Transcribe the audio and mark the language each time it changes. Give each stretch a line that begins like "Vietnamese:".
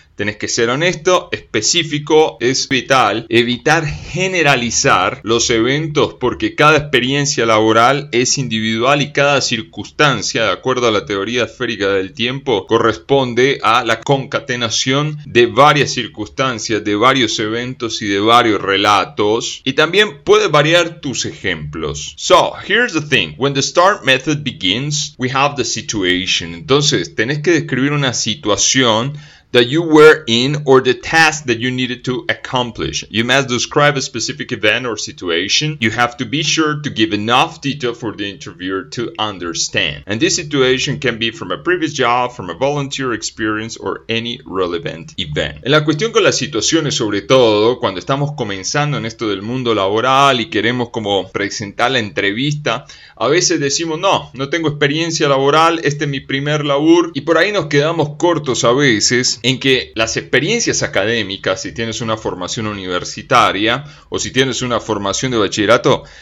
Spanish: Tenés que ser honesto, específico, es vital evitar generalizar los eventos porque cada experiencia laboral es individual y cada circunstancia, de acuerdo a la teoría esférica del tiempo, corresponde a la concatenación de varias circunstancias, de varios eventos y de varios relatos. Y también puede variar tus ejemplos.
English: So, here's the thing. When the start method begins, we have the situation.
Spanish: Entonces, tenés que describir una situación
English: that you were in or the task that you needed to accomplish. You must describe a specific event or situation. You have to be sure to give enough detail for the interviewer to understand. And this situation can be from a previous job, from a volunteer experience, or any relevant event.
Spanish: En la cuestión con las situaciones, sobre todo cuando estamos comenzando en esto del mundo laboral y queremos como presentar la entrevista, a veces decimos, no tengo experiencia laboral, este es mi primer laburo, y por ahí nos quedamos cortos a veces en que las experiencias académicas, si tienes una formación universitaria o si tienes una formación de bachillerato,